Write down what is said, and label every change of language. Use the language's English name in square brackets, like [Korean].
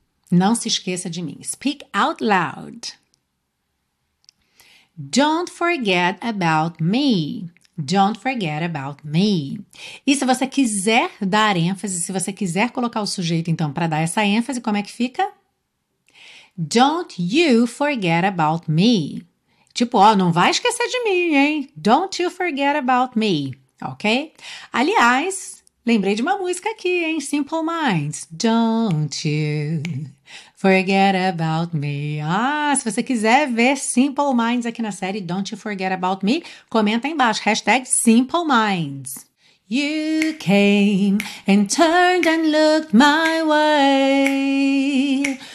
[Portuguese] Não se esqueça de mim. [English] Speak out loud. Don't forget about me. Don't forget about me. [Portuguese] E se você quiser dar ênfase, se você quiser colocar o sujeito, então, para dar essa ênfase, como é que fica? [English] Don't you forget about me. [Portuguese] Tipo, ó, não vai esquecer de mim, hein? [English] Don't you forget about me, ok? [Portuguese] Aliás, lembrei de uma música aqui, hein? [English] Simple Minds. Don't you forget about me. [Portuguese] Ah, se você quiser ver Simple Minds aqui na série Don't You Forget About Me, comenta aí embaixo, hashtag Simple Minds. [English] You came and turned and looked my way.